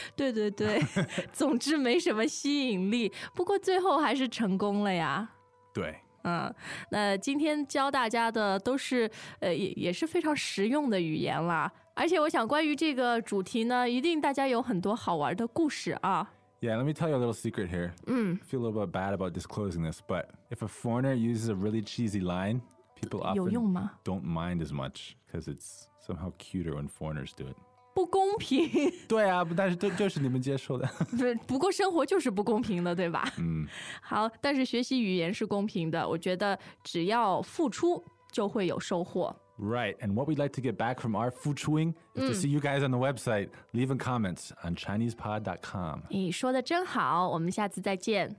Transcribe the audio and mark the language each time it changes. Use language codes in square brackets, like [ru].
[zh] 对对对。总之没什么吸引力。不过最后还是成功了呀。对。那今天教大家的都是也是非常实用的语言了。而且我想关于这个主题呢，一定大家有很多好玩的故事啊。 [en] Yeah, let me tell you a little secret here. I feel a little bit bad about disclosing this, but if a foreigner uses a really cheesy line, people often don't mind as much because it's somehow cuter when foreigners do it. [zh] 不公平。对啊，但是就是你们接受的。不过生活就是不公平的，对吧？好，但是学习语言是公平的，我觉得只要付出就会有收获。 [en] Right, and what we'd like to get back from our fuchuing is to see you guys on the website. Leave in comments on ChinesePod.com. [zh] 你说的真好，我们下次再见。